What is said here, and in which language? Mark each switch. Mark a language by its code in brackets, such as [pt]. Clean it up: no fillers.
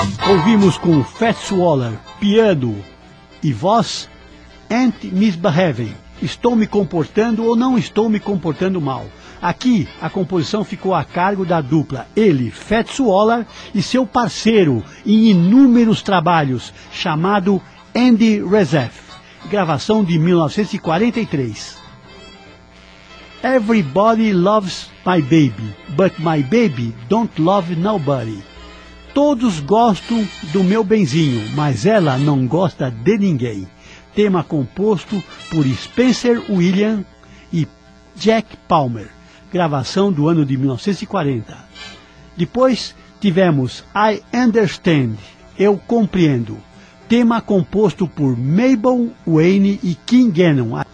[pt] Ouvimos com Fats Waller, piano, e voz, Aunt Misbehaving, Estou Me Comportando ou Não Estou Me Comportando Mal. Aqui, a composição ficou a cargo da dupla, ele, Fats Waller, e seu parceiro em inúmeros trabalhos, chamado Andy Rezef, gravação de 1943. [en] Everybody loves my baby, but my baby don't love nobody. [pt] Todos gostam do meu benzinho, mas ela não gosta de ninguém. Tema composto por Spencer William e Jack Palmer, gravação do ano de 1940. Depois tivemos I Understand, Eu Compreendo, tema composto por Mabel Wayne e King Gannon.